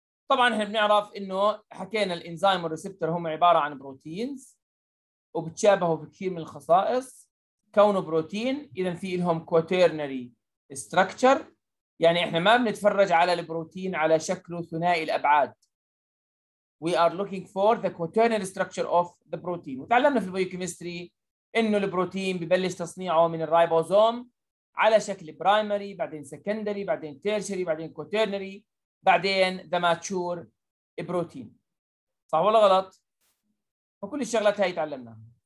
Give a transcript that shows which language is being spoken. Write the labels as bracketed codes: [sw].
[ar] طبعا احنا بنعرف انه حكينا الانزيم والريسبتر هم عباره عن بروتينز وبتشابهوا في كثير من الخصائص. كونه بروتين اذا في لهم كواترنري ستراكشر، يعني احنا ما بنتفرج على البروتين على شكله ثنائي الابعاد. [en] We are looking for the quaternary structure of the protein. [ar] وتعلمنا في البيوكيمستري انه البروتين ببلش تصنيعه من الرايبوزوم على شكل برايمري، بعدين سكندري، بعدين تيرشري، بعدين كوترنري، بعدين [en] the mature [ar] بروتين. صح ولا غلط؟ فكل الشغلات هاي تعلمناها.